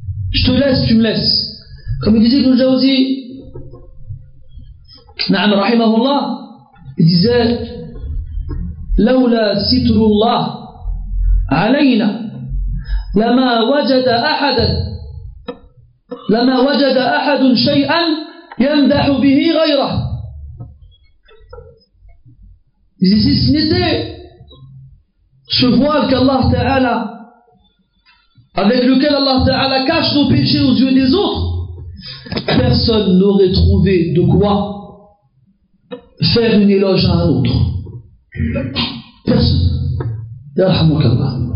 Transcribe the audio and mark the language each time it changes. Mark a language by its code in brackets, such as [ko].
[fr] Je te laisse, tu me laisses. Comme il disait Ibn Jawzi, Na'am rahimahullah, il disait [ar] Laoula sitrullah alayna. لما وجد أحدا لما وجد أحد شيئا يمدح به غيره. [fr] Si ce n'était, ce voile qu'Allah Ta'ala, avec lequel Allah Ta'ala cache nos péchés aux yeux des autres, personne n'aurait trouvé de quoi faire une éloge à un autre. Personne. Ya Rahmukallah.